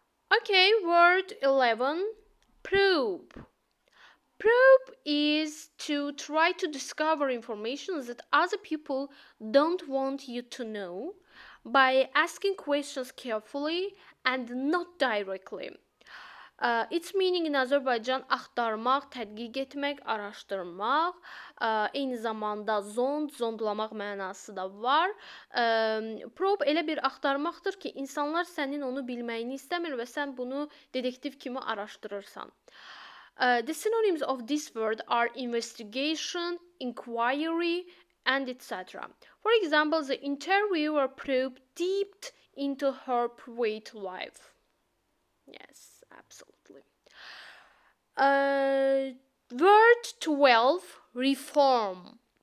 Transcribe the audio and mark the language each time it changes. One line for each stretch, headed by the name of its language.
English: Okay, word 11. Probe. Probe is to try to discover information that other people don't want you to know by asking questions carefully and not directly. Its meaning in Azerbaijan,
Azerbaijani: axtarmaq, tədqiq etmək, araşdırmaq, eyni zamanda zond, zondlamaq mənası da var. Probe elə bir axtarmaqdır ki, insanlar sənin onu bilməyini istəmir və sən bunu dedektiv kimi araşdırırsan.
English: The synonyms of this word are investigation, inquiry, and etc. For example, the interviewer probed deep into her private life. Yes. Absolutely. Word 12, reform.